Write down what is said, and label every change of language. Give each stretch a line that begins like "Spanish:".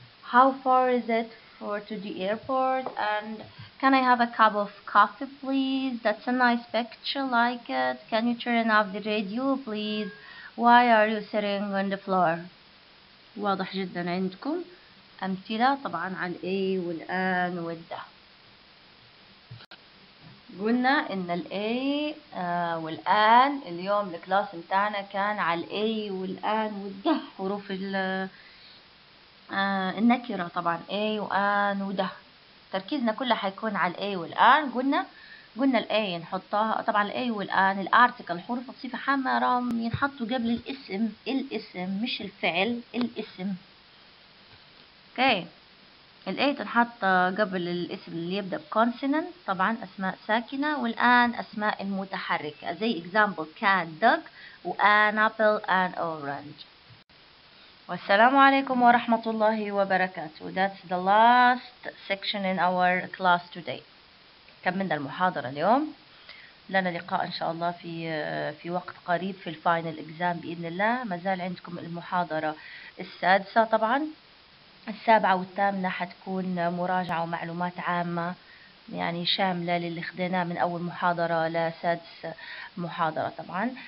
English: How far is it for to the airport? And can I have a cup of coffee please? That's a nice picture like it Can you turn off the radio please? Why are you sitting on the floor?
Arabic: واضح جدا عندكم أمثلة طبعا عن الإي والآن والده. قلنا إن الإي والآن اليوم الكلاس متاعنا كان على الإي والآن والده، حروف النكرة طبعا إي وآن وده. تركيزنا كله حيكون على الإي والآن. قلنا الإي نحطها طبعا، الإي والآن الأرتكل حروف بصفة عامة رام ينحطوا قبل الاسم، الاسم مش الفعل، الاسم. أوكي، الإي تنحط قبل الاسم اللي يبدأ بكونسوننت طبعا، أسماء ساكنة، والآن أسماء المتحركة زي
English: example cat dog
Arabic: و
English: an apple an orange.
Arabic: والسلام عليكم ورحمة الله وبركاته.
English: That's the last section in our class today.
Arabic: كملنا المحاضرة اليوم، لنا لقاء إن شاء الله في وقت قريب في الفاينل إكزام بإذن الله. مازال عندكم المحاضرة السادسة طبعا، السابعة والثامنة حتكون مراجعة ومعلومات عامة يعني شاملة للي خديناه من أول محاضرة لسادس محاضرة طبعا.